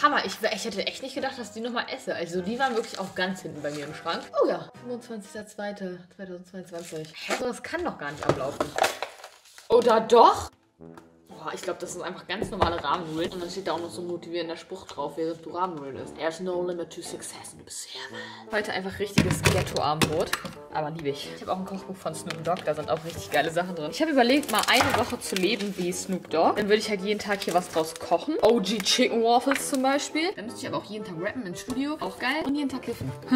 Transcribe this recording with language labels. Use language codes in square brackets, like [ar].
[de] Hammer, ich hätte echt nicht gedacht, dass ich die nochmal esse. Also die waren wirklich auch ganz hinten bei mir im Schrank. Oh ja. 25.02.2022. Hä? Das kann doch gar nicht ablaufen. Oder doch? Boah, ich glaube, das sind einfach ganz normale Rahmennudeln. Und dann steht da auch noch so ein motivierender Spruch drauf, während du Rahmennudeln isst. [en] There's no limit to success in this heaven. [de] Heute einfach richtiges Ghetto-Armbrot. Aber liebe ich. Ich habe auch ein Kochbuch von Snoop Dogg. Da sind auch richtig geile Sachen drin. Ich habe überlegt, mal eine Woche zu leben wie Snoop Dogg. Dann würde ich halt jeden Tag hier was draus kochen. OG Chicken Waffles zum Beispiel. Dann müsste ich aber auch jeden Tag rappen ins Studio. Auch geil. Und jeden Tag kiffen.